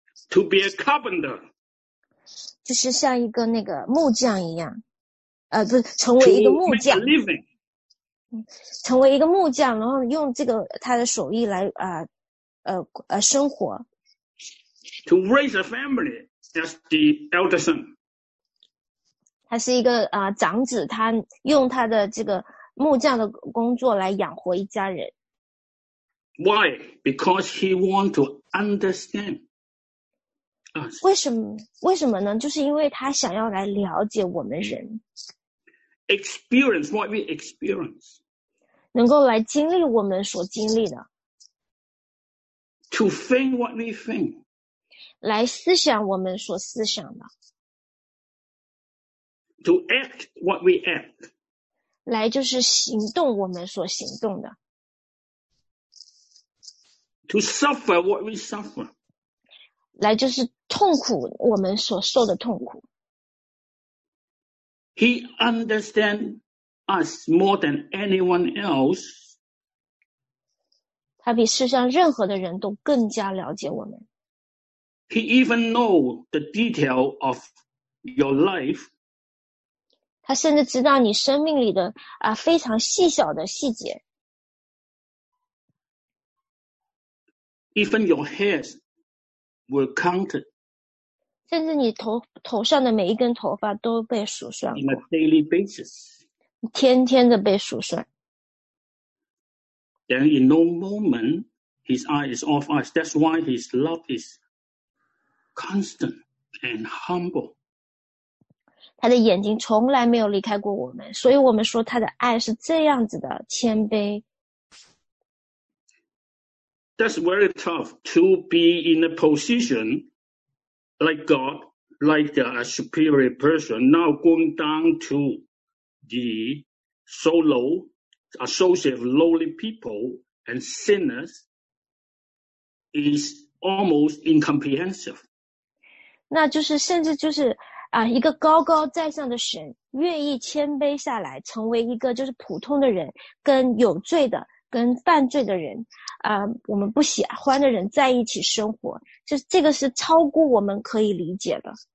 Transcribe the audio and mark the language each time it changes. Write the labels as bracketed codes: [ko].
[en] To be a carpenter. [zh] 就是像一个那个木匠一样，不是成为一个木匠。 [en] To make a living. [zh] 成为一个木匠，然后用这个他的手艺来生活。 [en] To raise a family as the elder son. [zh] 他是一个长子，他用他的这个木匠的工作来养活一家人。 [en] Why? Because he want to understand us. [zh] 为什么呢？就是因为他想要来了解我们人。 [en] Experience what we experience. [zh] 能够来经历我们所经历的。 [en] To think what we think. [zh] 来思想我们所思想的。 [en] To act what we act. [zh] 来就是行动我们所行动的。 [en] To suffer what we suffer. [zh] 来就是痛苦我们所受的痛苦。 [en] He understands us more than anyone else. [zh] 他比世上任何的人都更加了解我们。 [en] He even knows the detail of your life. [zh] 他甚至知道你生命里的非常细小的细节。 [en] Even your hairs were counted. [zh] 甚至你头上的每一根头发都被数算过。 [en] On a daily basis. [zh] 天天的被数算。 [en] Then in no moment, his eye is off us. That's why his love is constant and humble. [zh] 他的眼睛从来没有离开过我们，所以我们说他的爱是这样子的谦卑。 [en] That's very tough to be in a position like God, like a superior person, now going down to the so low, associate of lowly people and sinners is almost incomprehensive. [zh] 那就是甚至就是一个高高在上的神愿意谦卑下来成为一个就是普通的人，跟有罪的跟犯罪的人我们不喜欢的人在一起生活，就是这个是超过我们可以理解的。